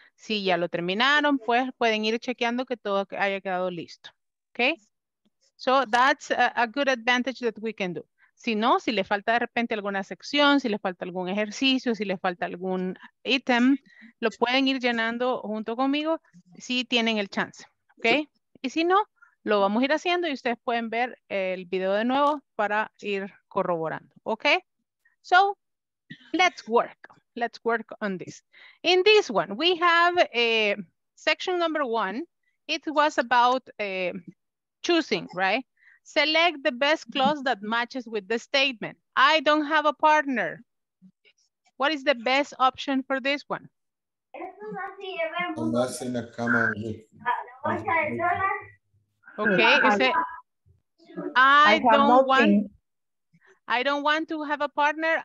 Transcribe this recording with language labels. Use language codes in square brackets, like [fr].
[es] Si ya lo terminaron, pues pueden ir chequeando que todo haya quedado listo, okay? [en] So that's a good advantage that we can do. [es] Si no, si le falta de repente alguna sección, si le falta algún ejercicio, si le falta algún ítem, lo pueden ir llenando junto conmigo si tienen el chance, ¿ok? Y si no, lo vamos a ir haciendo y ustedes pueden ver el video de nuevo para ir corroborando, ¿ok? [en] So, let's work. Let's work on this. In this one, we have a section number one. It was about choosing, right? Select the best clause that matches with the statement. I don't have a partner. What is the best option for this one? Okay, you say, I don't want to have a partner.